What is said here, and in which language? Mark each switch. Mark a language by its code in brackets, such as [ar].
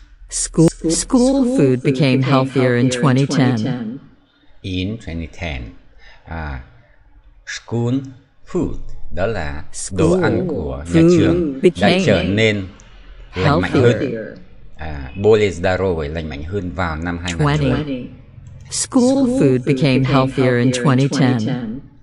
[en] School food became healthier in 2010. In 2010. [vi] School food, đó là đồ ăn của nhà trường, đã trở nên lành mạnh hơn. [ru] Более здоровой, [vi] lành mạnh hơn vào năm 2020. [en] School food became healthier in 2010.